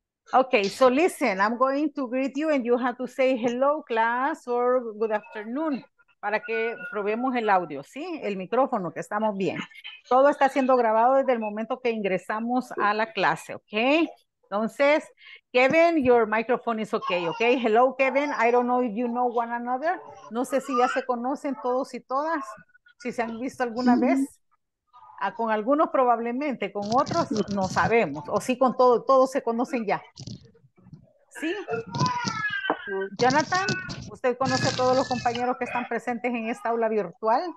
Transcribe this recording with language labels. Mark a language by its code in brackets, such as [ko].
[en] Okay, so listen, I'm going to greet you and you have to say hello, class, or good afternoon, [es] para que probemos el audio, ¿sí? El micrófono, que estamos bien. Todo está siendo grabado desde el momento que ingresamos a la clase, okay? Entonces, [en] Kevin, your microphone is okay, okay? Hello, Kevin, I don't know if you know one another. [es] No sé si ya se conocen todos y todas, si se han visto alguna vez. Con algunos probablemente, con otros no sabemos. O sí, con todos, todos se conocen ya. ¿Sí? Jonathan, ¿usted conoce a todos los compañeros que están presentes en esta aula virtual?